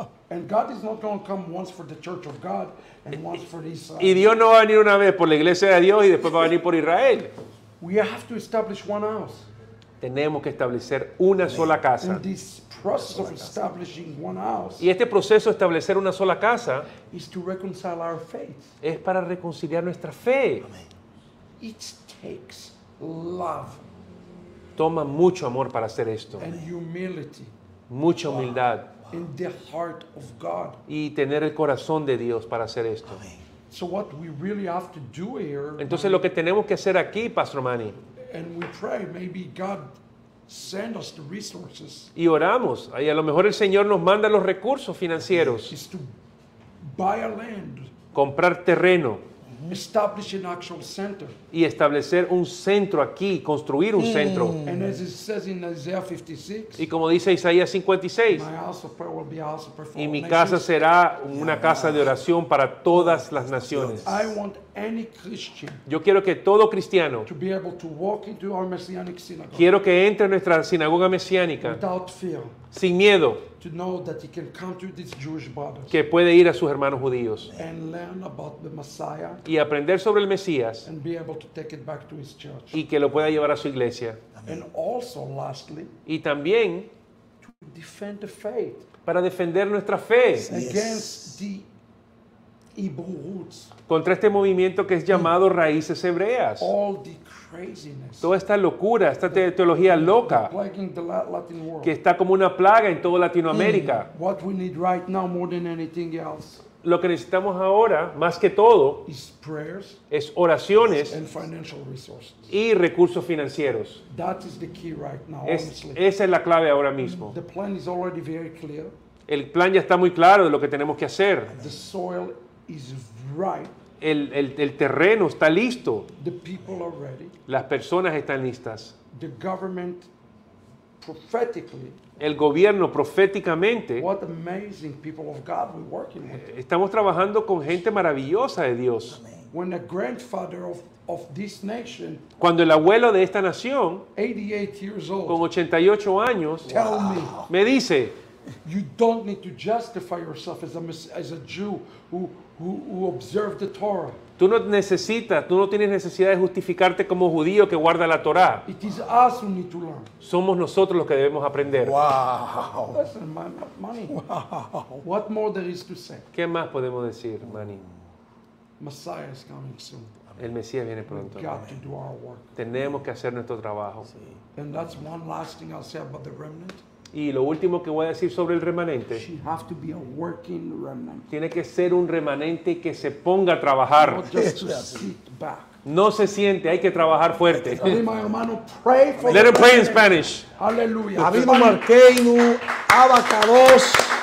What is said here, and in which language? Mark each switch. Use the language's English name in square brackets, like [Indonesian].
[English] And God is not going to come once for the church of God and once for Israel. [Spanish] Y Dios no va a venir una vez por la iglesia de Dios y después va a venir por Israel. [English] We have to establish one house. [Spanish] Tenemos que establecer una sola casa. [English] And this process of establishing one house. [Spanish] Y este proceso de establecer una sola casa [English] is to reconcile our faith. [Spanish] Es para reconciliar nuestra fe. [English] Amen. It takes love. [Spanish] Toma mucho amor para hacer esto. [English] And humility. [Spanish] Mucha humildad. [English] Wow. In the heart of God. [Spanish] Y tener el corazón de Dios para hacer esto. [English] So what we really have to do here, [Spanish] entonces lo que tenemos que hacer aquí, Pastor Manny. [English] And we pray, maybe God send us the resources, [Spanish] y oramos. Y a lo mejor el Señor nos manda los recursos financieros. [English] Is to buy a land, [Spanish] comprar terreno. [English] Establish an actual center. [Spanish] Y establecer un centro aquí, construir un centro. [English] And as it says in Isaiah 56, [Spanish] y como dice Isaías 56, [English] my house of prayer will be a house of performance. [Spanish] Y mi casa será una casa de oración para todas las naciones. [English] I want any Christian, [Spanish] yo quiero que todo cristiano, [English] to be able to walk into our messianic synagogue, [Spanish] quiero que entre en nuestra sinagoga mesiánica [English] without fear, [Spanish] sin miedo, [English] to know that he can come to these Jewish brothers, [Spanish] que puede ir a sus hermanos judíos [English] and learn about the Messiah, [Spanish] y aprender sobre el Mesías [English] and be able to take it back to his church, [Spanish] y que lo pueda llevar a su iglesia. [English] And also, lastly, [Spanish] y también [English] to defend the faith, [Spanish] para defender nuestra fe. [English] Yes. Against the Hebrew roots, [Spanish] contra este movimiento que es llamado raíces hebreas. [English] All the craziness, [Spanish] toda esta locura, esta teología loca que está como una plaga en toda Latinoamérica. [English] What we need right now more than anything else, [Spanish] lo que necesitamos ahora, más que todo, [English] is prayers, [Spanish] es oraciones [English] and financial resources, [Spanish] y recursos financieros. [English] That is the key right now, [Spanish] esa es la clave ahora mismo. [English] The plan is already very clear. [Spanish] El plan ya está muy claro de lo que tenemos que hacer. [English] The soil is ripe. [Spanish] El terreno está listo. [English] The people are ready. [Spanish] Las personas están listas. [English] The government prophetically, [Spanish] el gobierno proféticamente. [English] What amazing people of God we're working with. [Spanish] Estamos trabajando con gente maravillosa de Dios. [English] When the grandfather of this nation, [Spanish] cuando el abuelo de esta nación, [English] 88 years old, [Spanish] con 88 años, [English] tell me, [Spanish] me dice, [English] You don't need to justify yourself as a Jew who observed the Torah. [Spanish] Tú no necesitas, tú no tienes necesidad de justificarte como judío que guarda la Torá. [English] It is us who need to learn. [Spanish] Somos nosotros los que debemos aprender. [English] Wow. Listen, Manny. Wow. What more there is to say? [Spanish] ¿Qué más podemos decir, Manny? [English] Messiah is coming soon. [Spanish] El Mesías viene pronto. [English] We got to do our work. [Spanish] Tenemos que hacer nuestro trabajo. Sí. [English] And that's one last thing I'll say about the remnant. [Spanish] Y lo último que voy a decir sobre el remanente. [English] She have to be a working remnant. [Spanish] Tiene que ser un remanente que se ponga a trabajar. [English] Not just to sit back. [Spanish] No se siente, hay que trabajar fuerte. [English] Let him pray in Spanish. [Spanish] Aleluya. Habimo Marqueinu, Abacados.